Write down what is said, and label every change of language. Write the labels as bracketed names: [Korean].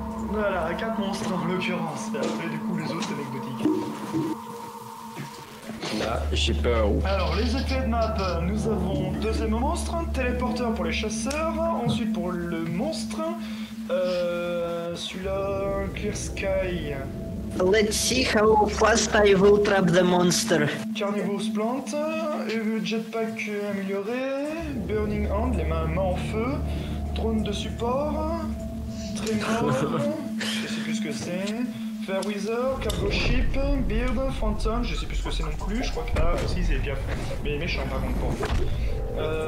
[French] Voilà, 4 monstres en l'occurrence. Et après, du coup, les autres anecdotiques. Là, j'ai peur. Alors, les effets de map, nous avons deuxième monstre, téléporteur pour les chasseurs, ensuite pour le monstre, celui-là, Clear Sky. [English] Let's see how fast I will trap the monster. [French] Carnivore's Plant, Jetpack amélioré, Burning Hand, les mains en feu, Drone de support, Tremor, je sais plus ce que c'est, Fair Wither, Cargo Ship, Beard, Phantom, je sais plus ce que c'est non plus, je crois que là aussi c'est bien, mais méchant par contre pour moi.